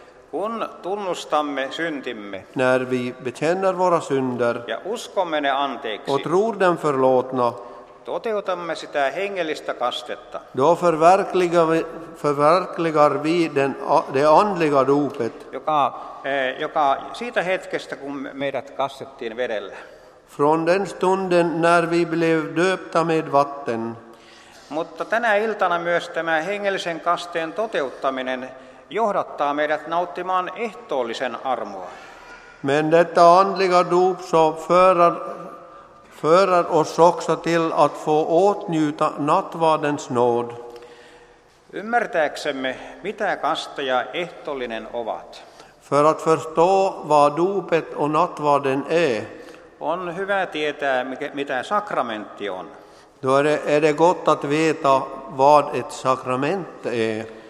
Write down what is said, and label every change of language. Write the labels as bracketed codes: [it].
[fi] Kun tunnustamme syntimme. [sv] När vi bekänner våra synder. [fi] Ja uskomme ne anteeksi. [sv] Och tror den förlåtna. [fi] Toteutamme sitä hengellistä kastetta. [sv] Då förverkligar vi det andliga dopet. [fi] Joka siitä hetkestä, kun meidät kastettiin vedellä. [sv] Från den stunden när vi blev döpta med vatten. [fi] Mutta tänä iltana myös tämä hengellisen kasteen toteuttaminen johdattaa meidät nauttimaan ehtoollisen armoa. [sv] Men detta andliga dop så förar oss också till att få åtnjuta nattvardens nåd. [fi] Ymmärtääksemme, mitä kaste ja ehtoollinen ovat. [sv] För att förstå vad dopet och nattvarden är. [fi] On hyvä tietää, mitä sakramentti on. [sv] Då är det gott att veta vad ett sakrament är.